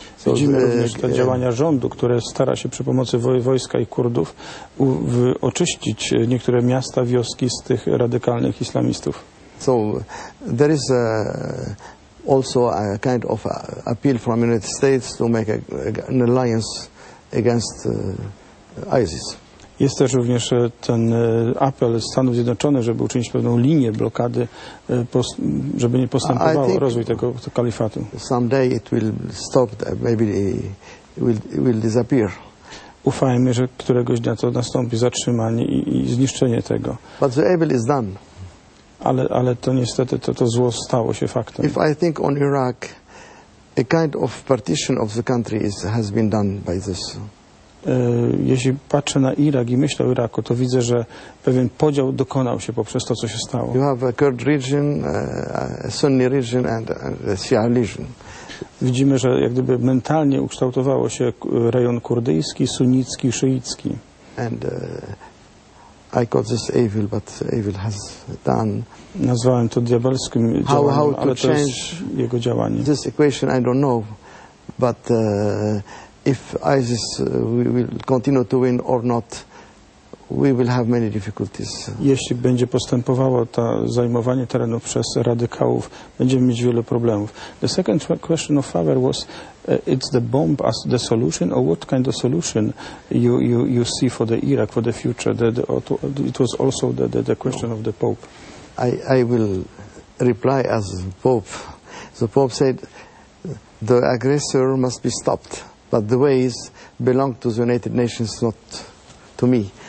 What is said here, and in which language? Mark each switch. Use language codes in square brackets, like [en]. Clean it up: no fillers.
[pl] Widzimy również te działania rządu, które stara się przy pomocy wojska i Kurdów oczyścić niektóre miasta, wioski z tych radykalnych islamistów. [en] So there is also a kind of appeal from the United States to make an alliance against ISIS. [pl] Jest też również ten apel Stanów Zjednoczonych, żeby uczynić pewną linię blokady, żeby nie postępował rozwój tego kalifatu. [en] Someday it will stop, maybe it will disappear. [pl] Ufajmy, że któregoś dnia to nastąpi, zatrzymanie i zniszczenie tego. [en] But the evil is done. [pl] Ale to niestety, to zło stało się faktem. [en] If I think on Iraq, a kind of partition of the country has been done by this. [pl] Jeśli patrzę na Irak i myślę o Iraku, to widzę, że pewien podział dokonał się poprzez to, co się stało. [en] You have a Kurd region, a Sunni region and a Shia region. [pl] widzimy, że jak gdyby mentalnie ukształtowało się rejon kurdyjski, sunnicki, szyicki. [en] And I call this evil, but evil has done. [pl] Nazwałem to diabelskim działaniem, how ale to jest jego działanie. [en] This equation I don't know, but if ISIS will continue to win or not, we will have many difficulties. [pl] Jeśli będzie postępowało to zajmowanie terenów przez radykałów, będziemy mieć wiele problemów. [en] The second question of Faber was, it's the bomb as the solution, or what kind of solution you see for the Iraq, for the future? It was also the question of the Pope. I will reply as Pope. The Pope said, the aggressor must be stopped, but the ways belong to the United Nations, not to me.